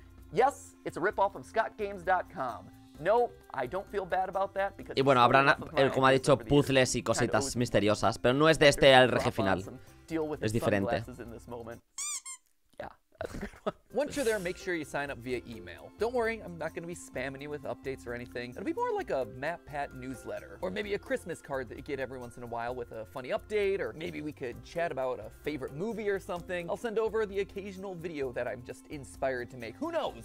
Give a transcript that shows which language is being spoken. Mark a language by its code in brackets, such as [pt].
[en] Yes, it's a rip-off of scottgames.com. No, I don't feel bad about that because [es] y bueno, habrá, como ha dicho, puzzles y cositas misteriosas, pero no es de este al RG final. Es diferente. [en] Yeah, that's a good one. Once you're there, make sure you sign up via email. Don't worry, I'm not going to be spamming you with updates or anything. It'll be more like a MatPat newsletter, or maybe a Christmas card that you get every once in a while with a funny update, or maybe we could chat about a favorite movie or something. I'll send over the occasional video that I'm just inspired to make. Who knows?